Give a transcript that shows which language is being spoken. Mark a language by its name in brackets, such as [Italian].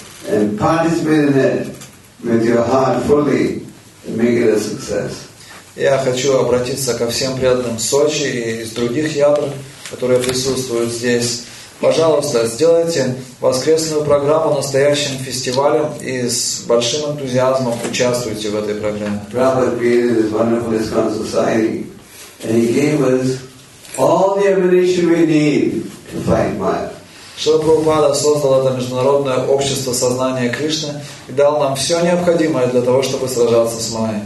[English] And participate in it with your heart fully and make it a success. [Russian] Я хочу обратиться ко всем преданным Сочи и из других ядр, которые присутствуют здесь. Пожалуйста, сделайте воскресную программу настоящим фестивалем и с большим энтузиазмом участвуйте в этой программе. [English] Prabhupada created this wonderful ISKCON society and he gave us all the ammunition we need to fight Maya. [Russian] Шрила Прабхупада создал это международное общество сознания Кришны и дал нам все необходимое для того, чтобы сражаться с Майей.